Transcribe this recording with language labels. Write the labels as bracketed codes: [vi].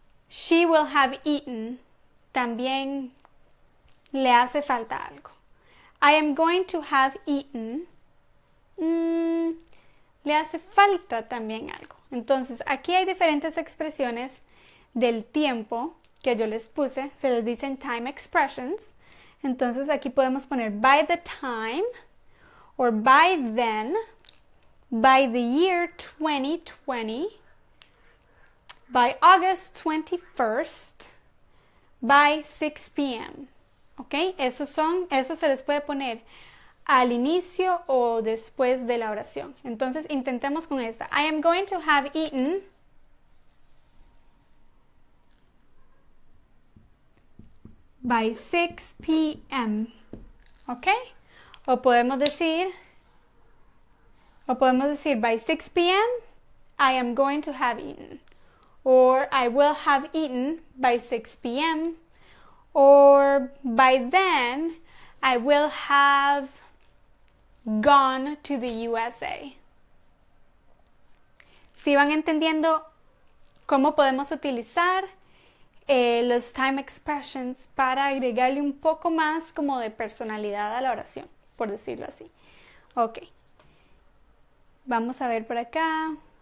[en] She will have eaten. [es] También le hace falta algo. [en] I am going to have eaten. [es] Le hace falta también algo. Entonces, aquí hay diferentes expresiones del tiempo que yo les puse. Se les dicen time expressions. Entonces, aquí podemos poner [en] by the time or by then, by the year 2020, by August 21st, by 6 p.m. ¿Ok? [es] Eso se les puede poner al inicio o después de la oración. Entonces, intentemos con esta. [en] I am going to have eaten. By 6 p.m. ¿Ok? [es] O podemos decir, [en] by 6 p.m., I am going to have eaten. Or I will have eaten by 6 p.m. Or by then, I will have gone to the USA. [es] ¿Sí van entendiendo cómo podemos utilizar los time expressions para agregarle un poco más como de personalidad a la oración, por decirlo así? Ok. Vamos a ver por acá.